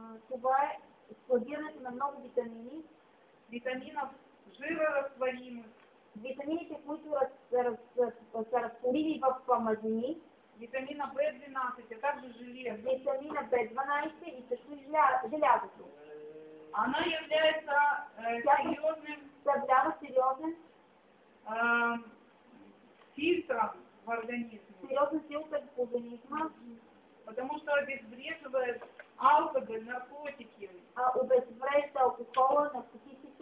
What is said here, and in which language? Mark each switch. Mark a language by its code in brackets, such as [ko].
[bg] Това е складирането на много витамини. [ru] Витаминов жирорастворимых. [bg] Витамините, които са разтворими в мазнини. [ru] Витамина B12, а также железо. [bg] Витамина B12 и също желязото. [ru] Она является серьезным... [bg] Съдава сериозен... [ru] фильтром в организме. [bg] Сериозен фильтр в организма. [ru] Потому что обезвреживает алкоголь, наркотики. [bg] А обезвреждает алкоголь, наркотики.